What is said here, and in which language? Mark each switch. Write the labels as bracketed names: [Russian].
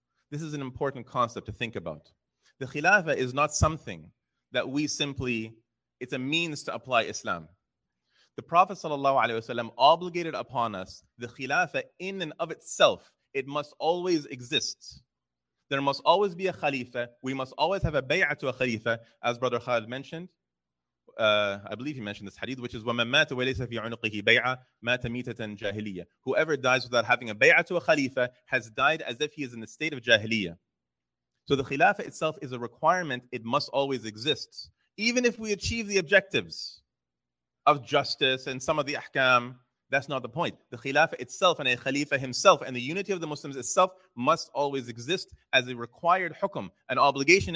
[English] This is an important concept to think about. The khilafah is not something that we simply, it's a means to apply Islam. The Prophet ﷺ obligated upon us the khilafah in and of itself. It must always exist. There must always be a khalifa. We must always have a bay'ah to a khalifa, as Brother Khalid mentioned. I believe he mentioned this hadith, which is [Arabic] وَمَنْ مَاتَ وَلَيْسَ فِي عُنُقِهِ بَيْعَةً مَاتَ مِيتَةً جَاهِلِيَّةً. [English] Whoever dies without having a bay'ah to a khalifa has died as if he is in the state of jahiliyyah. So the khilafah itself is a requirement. It must always exist. Even if we achieve the objectives of justice and some of the ahkam, that's not the point. The khilafah itself and a khalifa himself and the unity of the Muslims itself must always exist as a required hukum, an obligation.